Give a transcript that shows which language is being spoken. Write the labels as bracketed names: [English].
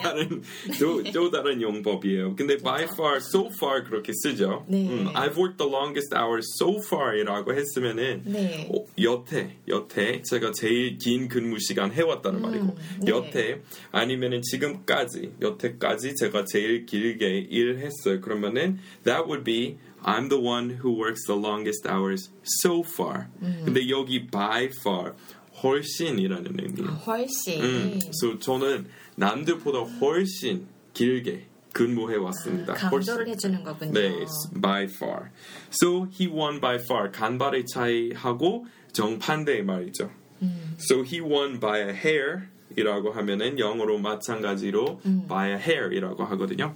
[Korean] 다른 또 다른 용법이에요. 근데 맞아. [English] by far, so far [Korean] 그렇게 쓰죠. 네. [English] I've worked the longest hours so far이라고 했으면은 [Korean] 네. 여태 제가 제일 긴 근무 시간 해왔다는 말이고 네. 여태 아니면은 여태까지 제가 제일 길게 일했어요. 그러면은 [English] that would be I'm the one who works the longest hours so far. [Korean] 근데 여기 by far 훨씬이라는 의미예요. 훨씬. [English] So [Korean] 저는 남들보다 훨씬 길게 근무해 왔습니다. 강조를 훨씬. 해주는 거군요. [English] 네, by far. So he won by far. [Korean] 간발의 차이하고 정반대의 말이죠. [English] So he won by a hair. [Korean] 이라고 하면은 영어로 마찬가지로 [English] by a hair [Korean] 이라고 하거든요.